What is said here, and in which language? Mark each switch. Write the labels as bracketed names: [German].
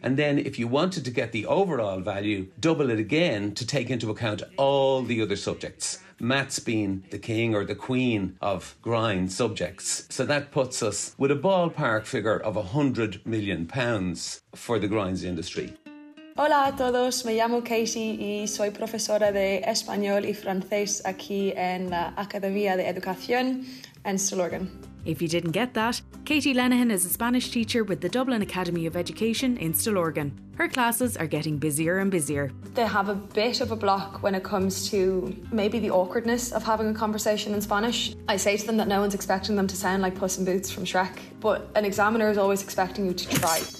[English] And then if you wanted to get the overall value, double it again to take into account all the other subjects. Maths being the king or the queen of grind subjects. So that puts us with a ballpark figure of £100 million for the grinds industry. [Spanish] Hola a todos, me llamo Katie y soy profesora de español y francés aquí en la Academia de Educación en Stillorgan. [English] If you didn't get that, Katie Lenehan is a Spanish teacher with the Dublin Academy of Education in Stillorgan. Her classes are getting busier and busier. They have a bit of a block when it comes to maybe the awkwardness of having a conversation in Spanish. I say to them that no one's expecting them to sound like Puss in Boots from Shrek, but an examiner is always expecting you to try.